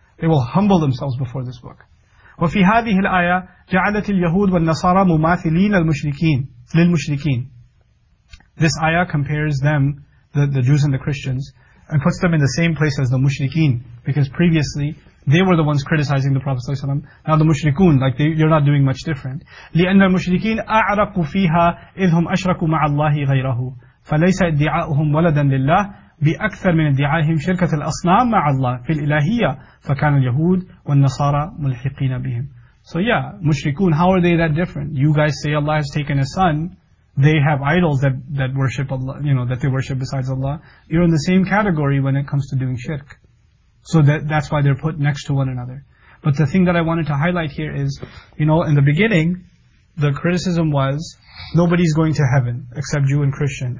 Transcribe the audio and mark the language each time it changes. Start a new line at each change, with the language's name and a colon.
English: They will humble themselves before this book.
Arabic: وَفِي هَذِهِ الْآيَةِ جَعَلَتِ الْيَهُودِ وَالنَّصَارَى مُمَاثِلِينَ الْمُشْرِكِينَ لِلْمُشْرِكِينَ
English: This ayah compares them, the Jews and the Christians, and puts them in the same place as the mushrikeen, because previously they were the ones criticizing the Prophet ﷺ. Now the mushrikeen, like you're not doing much different.
Arabic: لِأَنَّ الْمُشْرِكِينَ أَعْرَقُوا فِيهَا إِذْ هُمْ أَشْرَكُوا مَعَ اللَّهِ غَيْرَهُ فَلَيْسَ إِدْدِعَاؤُهُمْ وَلَدًا لِلَّهِ بِأَكْثَرْ مِنْ إِدْدِعَاهِمْ شِرْكَةَ الْأَصْنَامِ مَعَ اللَّهِ فِي الْإِلَهِيَّةِ فَكَانَ الْيَهُودُ وَالنَّصَارَى مُلْحِقِينَ بِهِمْ
English: So yeah, mushrikeen, how are they that different? You guys say Allah has taken a son. They have idols that worship Allah, you know, that they worship besides Allah. You're in the same category when it comes to doing shirk. So that's why they're put next to one another. But the thing that I wanted to highlight here is, you know, in the beginning, the criticism was, nobody's going to heaven except Jew and Christian.